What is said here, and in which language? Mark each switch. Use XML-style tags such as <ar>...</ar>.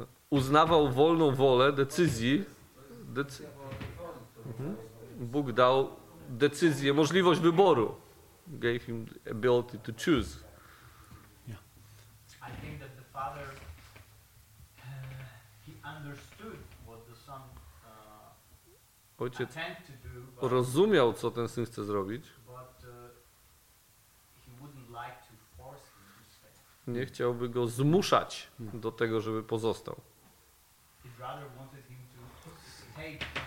<pl>Uznawał wolną wolę decyzji. Bóg dał decyzję, możliwość wyboru.</pl> <en>Gave him the ability to choose. father, he understood what the son attempted to do.</en> <pl>Rozumiał, co ten syn chce zrobić.</pl> <en>But he wouldn't like to force him to stay.</en> <pl>Nie chciałby go zmuszać do tego, żeby pozostał.</pl> <en>His brother wanted him to stay.</en>